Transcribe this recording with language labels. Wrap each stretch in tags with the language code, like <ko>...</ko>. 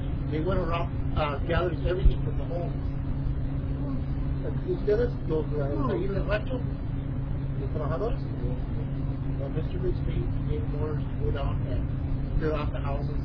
<en>They went around gathering everything from the home.</en> <es>¿Ustedes, los de ahí en el rancho, los trabajadores?</es> <en>Well, Mr. Bixby made more to go down and clear out the houses.</en>